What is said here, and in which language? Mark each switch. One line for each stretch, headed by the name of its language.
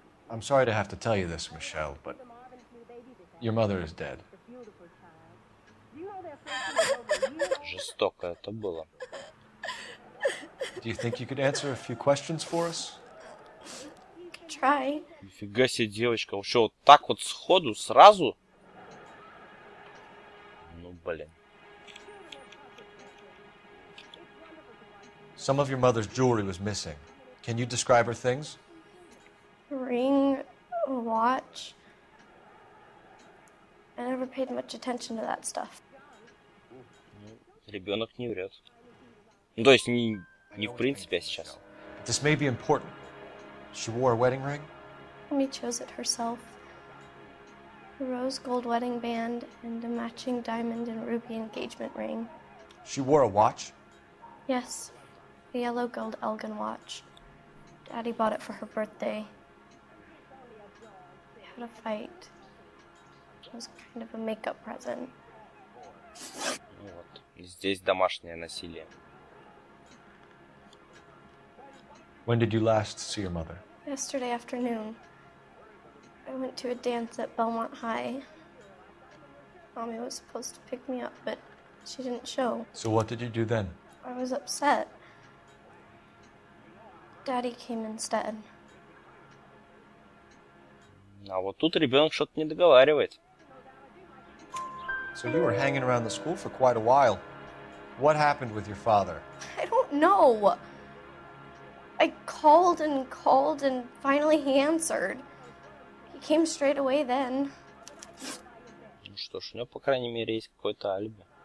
English: I'm sorry to have to tell you this, Michelle, but your mother is dead.
Russian: Жестоко это было.
English: Do you think you could answer a few questions for us? Try.
Russian: Нифига себе, девочка. Вообще, вот так вот сходу, сразу? Ну, блин.
English: Some of your mother's jewelry was missing. Can you describe her things? Ring, a watch. watch. I never paid much attention to that stuff.
Russian: Ребенок не врет. Ну, то есть не в принципе, а сейчас.
English: This may be important. She wore a wedding ring? Mommy chose it herself. A rose gold wedding band and a matching diamond and ruby engagement ring. She wore a watch? Yes, a yellow gold Elgin watch. Daddy bought it for her birthday. We had a fight. It was kind of a makeup present.
Russian: Вот. Здесь домашнее насилие.
English: When did you last see your mother? Yesterday afternoon. I went to a dance at Belmont High. Mommy was supposed to pick me up, but she didn't show. So what did you do then? I was upset. Daddy came instead.
Russian: А вот тут ребенок что-то не договаривает.
English: So you were hanging around the school for quite a while. What happened with your father? I don't know. I called and called and finally he answered. He came straight away then.
Russian: Ну что ж, у него, по крайней мере, есть какое-то алиби.